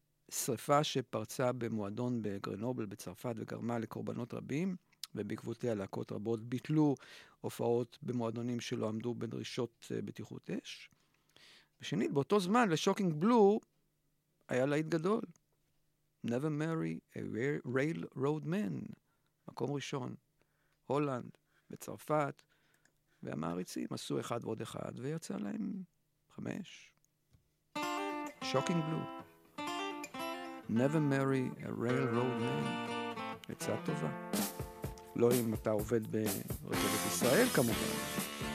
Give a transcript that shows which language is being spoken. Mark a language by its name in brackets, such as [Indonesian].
[Hebrew] שריפה שפרצה במועדון בגרנובל בצרפת וגרמה לקורבנות רבים, ובעקבותיה להקות רבות ביטלו הופעות במועדונים שלא עמדו בדרישות בטיחות אש. ושנית, באותו זמן, לשוקינג בלו, היה להיט גדול. [English] Never marry a railroad man. [Hebrew] מקום ראשון, הולנד וצרפת, והמעריצים עשו אחד ועוד אחד, ויצא להם 5. שוקינג בלו. [English] Never marry a railroad man. [Hebrew] עצה טובה. לא אם אתה עובד ברכבת ישראל, כמובן.